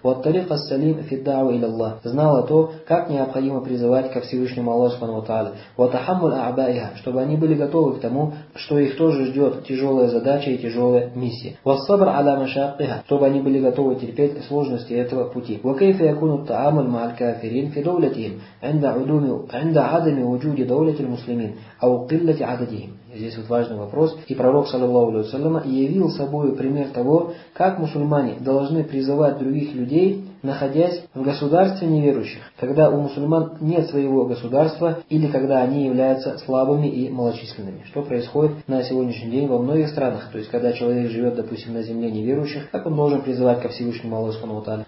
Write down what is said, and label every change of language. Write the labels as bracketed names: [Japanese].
[Arabic] «Ваттариф ас-салим фид-да'ва иля Аллах» [Russian] – знала то, как необходимо призывать ко Всевышнему Аллаху Субхану ва Тааля. [Arabic] «Ватахаммул а'баиха» [Russian] – чтобы они были готовы к тому, что их тоже ждет тяжелая задача и тяжелая миссия. [Arabic] «Вассабр аля машаккиха» [Russian] – чтобы они были готовы терпеть сложности этого пути. [Arabic] «Вакайфа якуну та'амуль ма'аль кафирин фи даулятихим» عند عدم وجود دولة المسلمين أو قلة عددهم. [Russian] Здесь вот важный вопрос. И пророк, саллиллаху алейхи ва саллям, явил собой пример того, как мусульмане должны призывать других людей, находясь в государстве неверующих, когда у мусульман нет своего государства или когда они являются слабыми и малочисленными. Что происходит на сегодняшний день во многих странах. То есть, когда человек живет, допустим, на земле неверующих, как он должен призывать ко Всевышнему Аллаху Субхану ва Тааля?